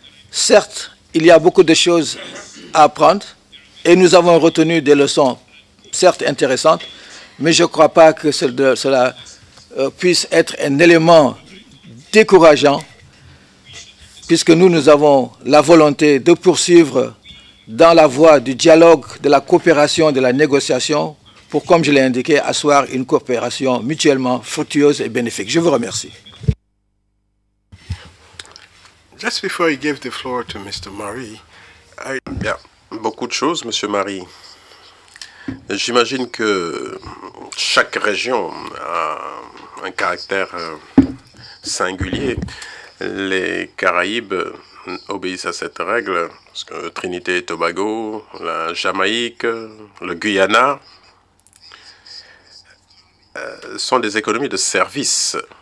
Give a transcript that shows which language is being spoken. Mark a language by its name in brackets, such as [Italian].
[French] Certes, il y a beaucoup de choses à apprendre et nous avons retenu des leçons, certes intéressantes, mais je ne crois pas que cela puisse être un élément décourageant, puisque nous avons la volonté de poursuivre dans la voie du dialogue, de la coopération, de la négociation, pour, comme je l'ai indiqué, asseoir une coopération mutuellement fructueuse et bénéfique. Je vous remercie. [English] Just before I give the floor to Mr. Marie, [French] beaucoup de choses, Monsieur Marie. J'imagine que chaque région a un caractère singulier. Les Caraïbes obéissent à cette règle, parce que Trinité et Tobago, la Jamaïque, le Guyana sont des économies de services.